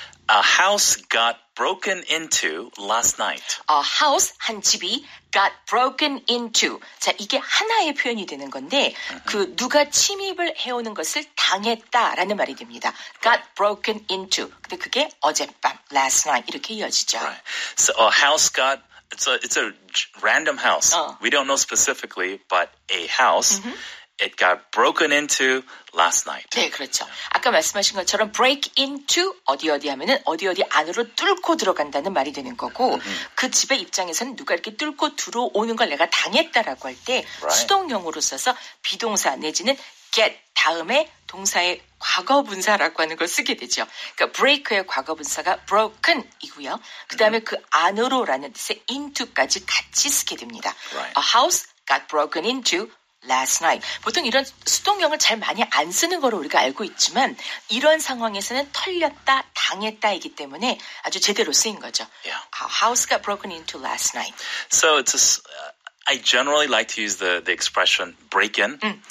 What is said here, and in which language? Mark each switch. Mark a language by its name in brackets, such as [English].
[English] A house got broken into last night. A house, [Korean] 한 집이 [English] got broken into. [Korean] 자, 이게 하나의 표현이 되는 건데 uh-huh. 그 누가 침입을 해오는 것을 당했다라는 말이 됩니다. [English] Got right. broken into. [Korean] 근데 그게 어젯밤, [English] last night [Korean] 이렇게 이어지죠. [English] Right. So a house got it's a random house. We don't know specifically, but a house uh-huh. It got broken into last night. [Korean] 네, 그렇죠. 아까 말씀하신 것처럼 break into 어디 어디 하면은 어디 어디 안으로 뚫고 들어간다는 말이 되는 거고 mm-hmm. 그 집의 입장에서는 누가 이렇게 뚫고 들어오는 걸 내가 당했다라고 할 때 [English] right. [Korean] 수동형으로 써서 비동사 내지는 get 다음에 동사의 과거분사라고 하는 걸 쓰게 되죠. 그러니까 break의 과거분사가 broken이고요. 그 다음에 mm-hmm. 그 안으로라는 뜻의 into까지 같이 쓰게 됩니다. [English] Right. A house got broken into last night. [Korean] 보통 이런 수동형을 잘 많이 안 쓰는 거로 우리가 알고 있지만 이런 상황에서는 털렸다, 당했다이기 때문에 아주 제대로 쓰인 거죠. [English] Yeah. Our house got broken into last night. So it's I generally like to use the expression break in.